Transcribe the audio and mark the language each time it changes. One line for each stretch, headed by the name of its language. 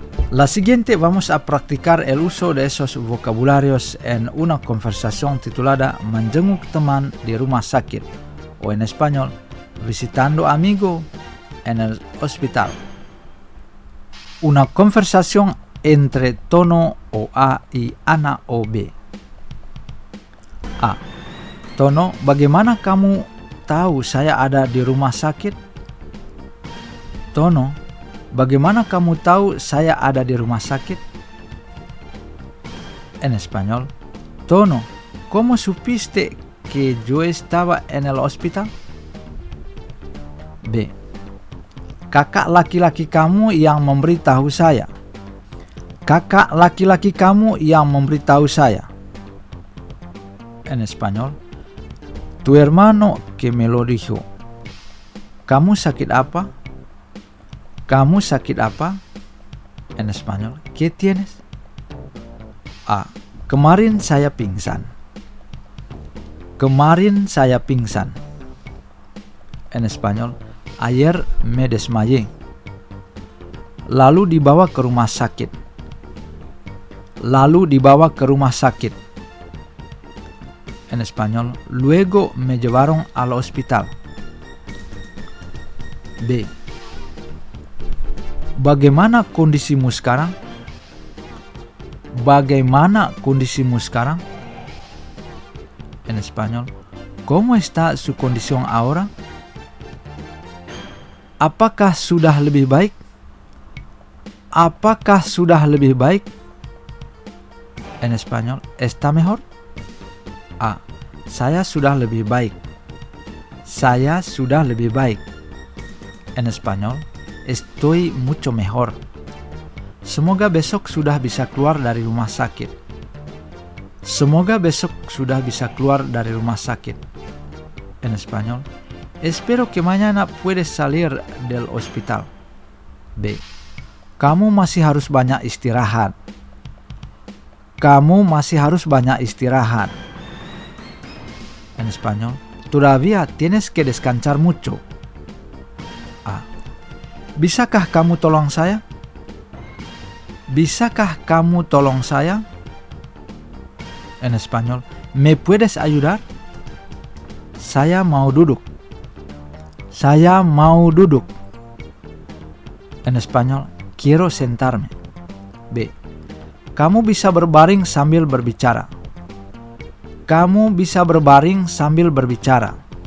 Spanish: La siguiente vamos a practicar el uso de esos vocabularios en una conversación titulada
Indonesian: Menjenguk Teman di Rumah Sakit,
Spanish: o en español Visitando Amigo en el Hospital. Una conversación entre Tono o A y Ana o B. A.
Indonesian: Tono, bagaimana kamu tahu saya ada di rumah sakit? Tono, bagaimana kamu tahu saya ada di rumah sakit?
Spanish: En español, Tono, ¿cómo supiste que yo estaba en el hospital? B.
Indonesian: Kakak laki-laki kamu yang memberitahu saya. Kakak laki-laki kamu yang memberitahu saya.
Spanish: En español, tu hermano que me lo dijo.
Indonesian: Kamu sakit apa? Kamu sakit apa?
Spanish: En español, ¿qué tienes? A.
Indonesian: Kemarin saya pingsan. Kemarin saya pingsan.
Spanish: en español, ayer me desmayé.
Indonesian: Lalu dibawa ke rumah sakit. Lalu dibawa ke rumah sakit.
Spanish: En español, luego me llevaron al hospital. B.
Indonesian: Bagaimana kondisimu sekarang? Bagaimana kondisimu sekarang?
Spanish: En español, ¿cómo está su condición ahora?
Indonesian: Apakah sudah lebih baik? Apakah sudah lebih baik?
Spanish: En español, ¿está mejor? A.
Indonesian: Saya sudah lebih baik. Saya sudah lebih baik.
Spanish: En español, estoy mucho mejor.
Indonesian: Semoga besok sudah bisa keluar dari rumah sakit. Semoga besok sudah bisa keluar dari rumah sakit.
Spanish: En español, espero que mañana puedes salir del hospital. B.
Indonesian: Kamu masih harus banyak istirahat. Kamu masih harus banyak istirahat.
Spanish: En español, todavía tienes que descansar mucho. A.
Indonesian: Bisakah kamu tolong saya? Bisakah kamu tolong saya?
Spanish: En español, ¿me puedes ayudar?
Indonesian: Saya mau duduk. Saya mau duduk.
Spanish: En español, quiero sentarme. B.
Indonesian: Kamu bisa berbaring sambil berbicara. Kamu bisa berbaring sambil berbicara.